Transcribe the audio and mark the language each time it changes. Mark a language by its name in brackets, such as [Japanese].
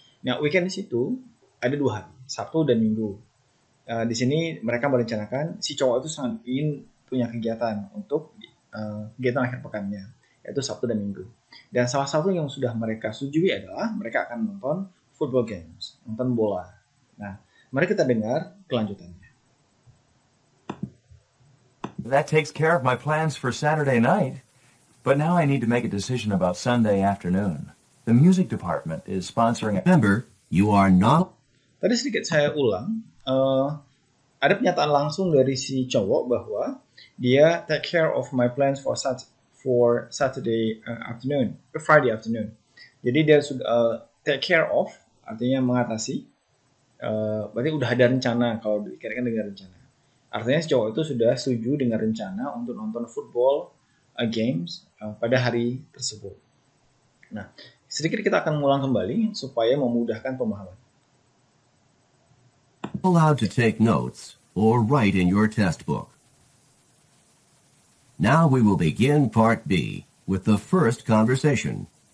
[Indonesian] Nah, weekend di situ ada dua hari, Sabtu dan Minggu. Di sini mereka merencanakan, si cowok itu sangat ingin punya kegiatan untuk kegiatan akhir pekannya, yaitu Sabtu dan Minggu. Dan salah satu yang sudah mereka setujui adalah mereka akan nonton football games, nonton bola. Nah, mari kita dengar kelanjutannya. [English] That takes care of my plans for Saturday night. But now I need to make a decision about Sunday afternoon. The music department is sponsoring a member. You are not... [Indonesian] Tadi sedikit saya ulang. Ada pernyataan langsung dari si cowok bahwa dia [English] take care of my plans for Saturday afternoon, Friday afternoon. [Indonesian] Jadi dia sudah take care of, artinya mengatasi. Berarti udah ada rencana kalau dikaitkan dengan rencana. Artinya si cowok itu sudah setuju dengan rencana untuk nonton football games pada hari tersebut. Nah, sedikit kita akan mengulang kembali supaya memudahkan pemahaman. [English] Allowed to take notes or write in your test book. Now we will begin part B with the first conversation.